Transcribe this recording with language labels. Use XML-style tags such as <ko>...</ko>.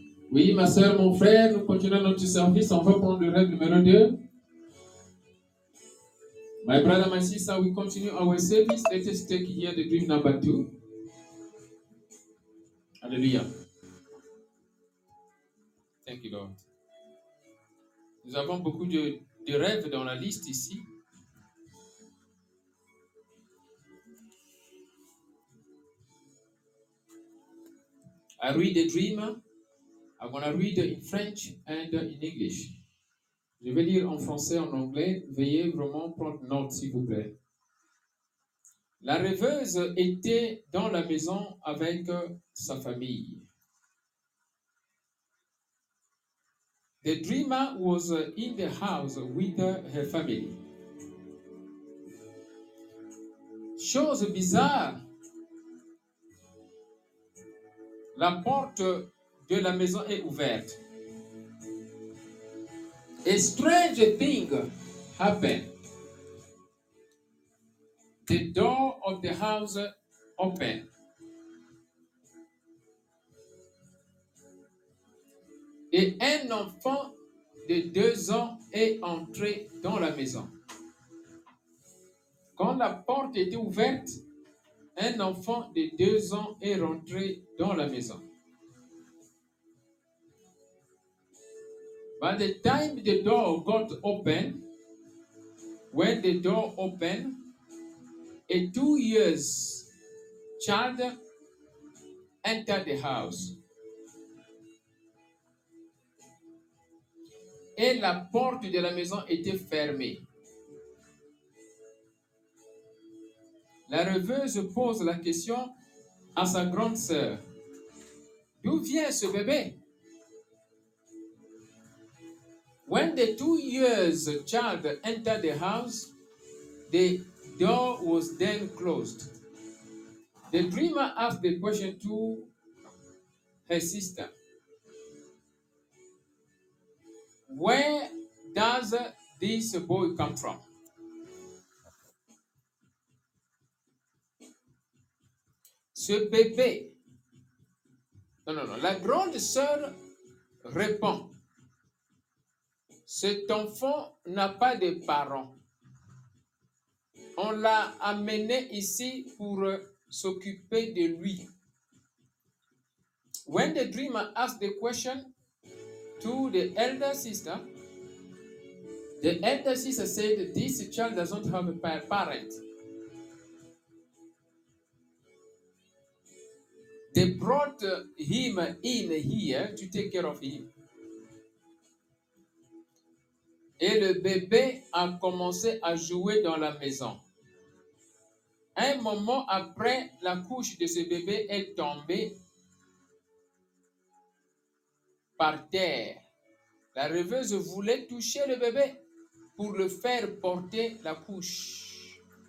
<fr>Oui, ma soeur, mon frère, nous continuons notre service. On va prendre le rêve numéro 2.</fr> <en>My brother, my sister, we continue our service. Let us take here the dream number 2.</en> <fr>Alléluia.</fr> <en>Thank you, Lord.</en> <fr>Nous avons beaucoup de rêves dans la liste ici.</fr> <en>I read the dream. I'm going to read in French and in English.</en> <fr>Je vais lire en français, en anglais. Veuillez vraiment prendre note, s'il vous plaît. La rêveuse était dans la maison avec sa famille.</fr> <en>The dreamer was in the house with her family.</en> <fr>chose bizarre. La porte de la maison est ouverte.</fr> <en>A strange thing happened. The door of the house opened.</en> <fr>Et un enfant de 2 ans est entré dans la maison. Quand la porte était ouverte, un enfant de 2 ans est rentré dans la maison.</fr> <en>By the time the door got open, when the door opened, a 2 years child entered the house.</en> <fr>Et la porte de la maison était fermée. La rêveuse pose la question à sa grande sœur. D'où vient ce bébé?</fr> <en>When the 2 years child entered the house, the door was then closed. The dreamer asked the question to her sister. Where does this boy come from?</en> <fr>Ce bébé. Non. La grande sœur répond. Cet enfant n'a pas de parents. On l'a amené ici pour s'occuper de lui.</fr> <en>When the dreamer asked the question to the elder sister, the elder sister said, "This child doesn't have a parent." They brought him in here to take care of him.</en> <fr>Et le bébé a commencé à jouer dans la maison. Un moment après, la couche de ce bébé est tombée par terre. La rêveuse voulait toucher le bébé pour le faire porter la couche.</fr>